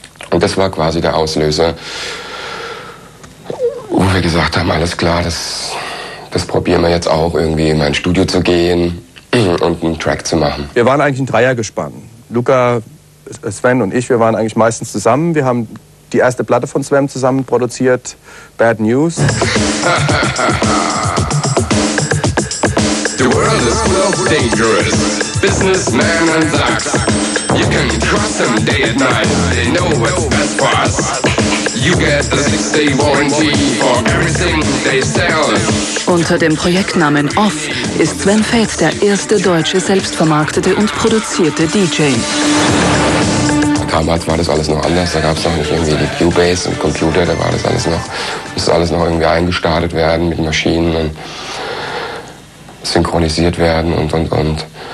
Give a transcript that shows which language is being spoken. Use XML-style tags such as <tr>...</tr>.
<de>Und das war quasi der Auslöser, wo wir gesagt haben, alles klar, das probieren wir jetzt auch irgendwie in mein Studio zu gehen und einen Track zu machen. Wir waren eigentlich ein Dreiergespann. Luca, Sven und ich, wir waren eigentlich meistens zusammen. Wir haben die erste Platte von Sven zusammen produziert, Bad News.</de> <en>The world is full of dangerous businessmen and thugs. You can trust them day and night, they know what's best for us. You get a 6-day warranty for everything they sell.</en> <de>Unter dem Projektnamen Off ist Sven Veit der erste deutsche selbstvermarktete und produzierte DJ. Damals war das alles noch anders, da gab es noch nicht irgendwie die Cubase und Computer, da war das alles noch, musste alles noch irgendwie eingestartet werden mit Maschinen und synchronisiert werden und.</de>